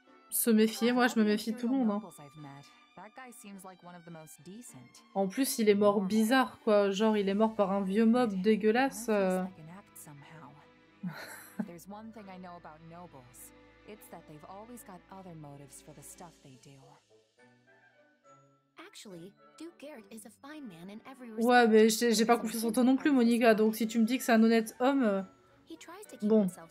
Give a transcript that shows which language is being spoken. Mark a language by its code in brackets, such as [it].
[fr] Se méfier, moi je me méfie de tout le monde, hein. [en] That guy seems like one of the most decent. [fr] En plus, il est mort bizarre, quoi. Genre, il est mort par un vieux mob dégueulasse. [en] There's one thing I know about nobles. It's that they've always got other motives for the stuff they do. Actually, Duke Garrett is a fine man in every respect. [fr] Ouais, mais j'ai pas confiance en toi non plus, Monica. Donc, si tu me dis que c'est un honnête homme, bon.